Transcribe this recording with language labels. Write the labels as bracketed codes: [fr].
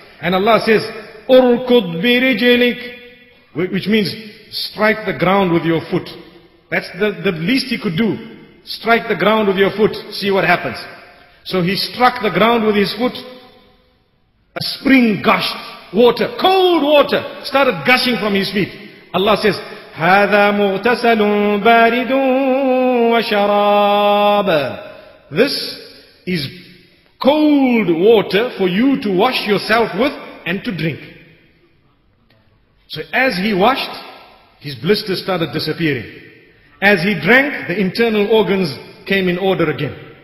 [en] And Allah says, [ar] urkud bi rijlik, [en] which means strike the ground with your foot. That's the least he could do. Strike the ground with your foot, see what happens. So he struck the ground with his foot, a spring gushed, water, cold water, started gushing from his feet. Allah says, [ar] هَذَا مُغْتَسَلٌ بَارِدٌ وَشَرَابٌ. [en] This is cold water for you to wash yourself with and to drink. So as he washed, his blisters started disappearing. As he drank, the internal organs came in order again.